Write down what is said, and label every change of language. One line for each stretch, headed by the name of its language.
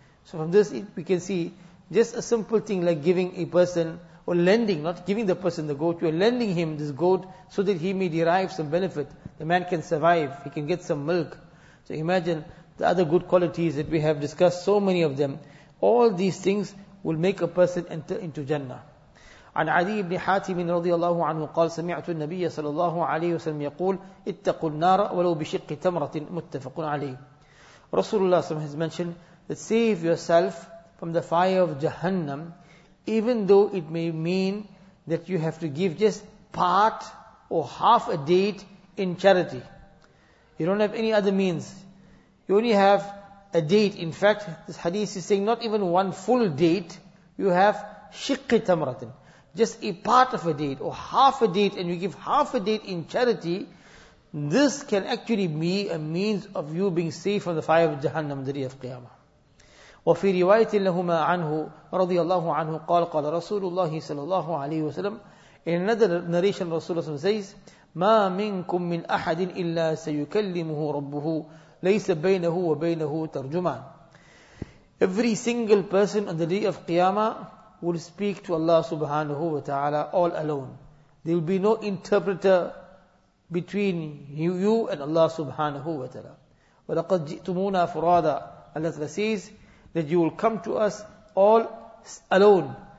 English: So from this we can see, just a simple thing like giving a person, or lending, not giving the person the goat, you are lending him this goat so that he may derive some benefit. The man can survive, he can get some milk. So imagine the other good qualities that we have discussed, so many of them. All these things will make a person enter into Jannah.
Arabic: عن عدي بن حاتم رضي الله عنه قال: سمعت النبي صلى الله عليه وسلم يقول: اتقوا النار ولو بشق تمرة. متفق عليه.
English: Rasulullah has mentioned that save yourself from the fire of Jahannam, even though it may mean that you have to give just part or half a deed in charity. You don't have any other means. You only have a date. In fact, this hadith is saying not even one full date. You have
Arabic: shiqqi tamratin,
English: just a part of a date or half a date, and you give half a date in charity. This can actually be a means of you being saved from the fire of Jahannam, the day of Qiyamah.
Arabic: وفي رواية لهما عنه رضي الله عنه قال قال رسول الله صلى الله عليه وسلم.
English: In another narration, Rasulullah says,
Arabic: ما منكم من أحد إلا سيكلمه ربه لَيْسَ بَيْنَهُ وَبَيْنَهُ تَرْجُمَانِ.
English: Every single person on the day of Qiyamah will speak to Allah subhanahu wa ta'ala all alone. There will be no interpreter between you and Allah subhanahu wa ta'ala.
Arabic: وَلَقَدْ جِئْتُمُونَا فُرَادًا.
English: Allah says that you will come to us all alone.